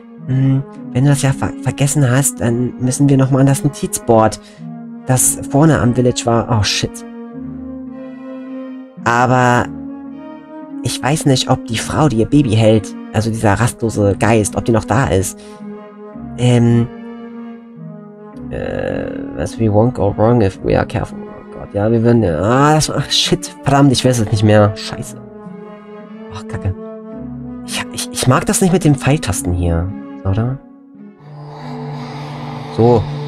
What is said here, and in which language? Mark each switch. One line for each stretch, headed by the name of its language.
German: Wenn du das ja vergessen hast, dann müssen wir nochmal an das Notizboard, das vorne am Village war.
English: Oh, shit.
German: Aber ich weiß nicht, ob die Frau, die ihr Baby hält, also dieser rastlose Geist, ob die noch da ist.
English: As we won't go wrong if we are careful.
German: Oh Gott, ja, wir würden... Ah, das war... Shit, verdammt, ich weiß es nicht mehr. Scheiße. Ach, Kacke. Ich mag das nicht mit den Pfeiltasten hier, oder? So.